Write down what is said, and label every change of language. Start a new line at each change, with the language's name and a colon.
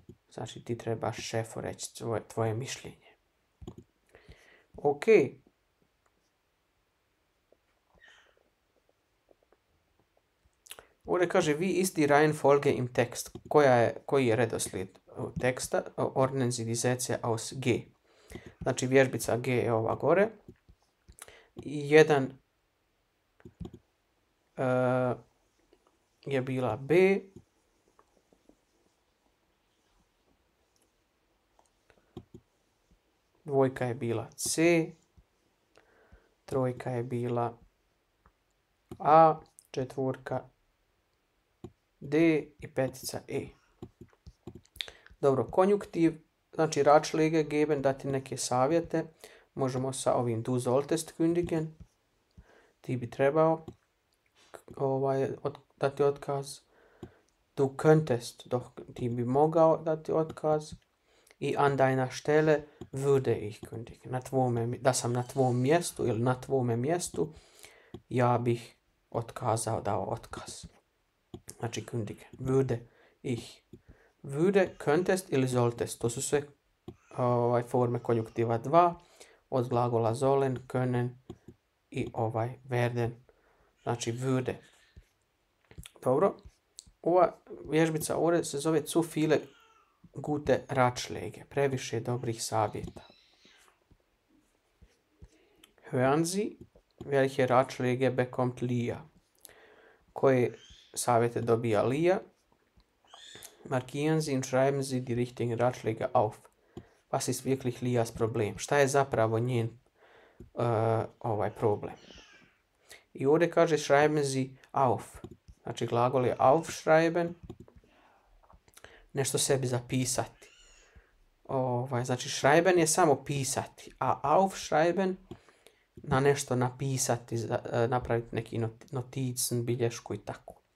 Bosnian: Znači ti trebaš šefu reći tvoje mišljenje. Ok. Ovdje kaže vi isti
German: Reihenfolge im Text.
Bosnian: Koji je redoslijed teksta?
German: Ordnen Sie die Sätze aus G.
Bosnian: Znači vježbica G je ova gore. Jedan je bila B. Dvojka je bila C, trojka je bila A, četvorka D i petica E. Dobro, konjuktiv, znači
German: Ratschläge geben,
Bosnian: dati neke savjete. Možemo sa ovim
German: du solltest kündigen,
Bosnian: ti bi trebao dati otkaz.
German: Du könntest,
Bosnian: ti bi mogao dati otkaz.
German: I an deiner Stelle würde ich kündigen.
Bosnian: Da sam na tvom mjestu ili na tvome mjestu, ja bih otkazao, dao otkaz.
German: Znači kündigen. Würde ich.
Bosnian: Würde, könntest ili solltest. To su sve forme konjuktiva 2. Od glagola sollen, können i werden. Znači würde. Dobro. Ova vježbica ovdje se zove
German: zu viele gute Ratschläge,
Bosnian: previše dobrih savjeta.
German: Hören Sie, welche Ratschläge bekommt Lia?
Bosnian: Koje savjete dobija Lia?
German: Markieren Sie und schreiben Sie die richtigen Ratschläge auf. Was ist wirklich Lias Problem?
Bosnian: Šta je zapravo njen ovaj problem? I ovdje kaže
German: schreiben Sie auf.
Bosnian: Znači glagol je aufschreiben. Nešto sebi zapisati. Ovaj, znači schreiben je samo pisati. A aufschreiben na nešto napisati, napraviti neki noticen, bilješku i tako.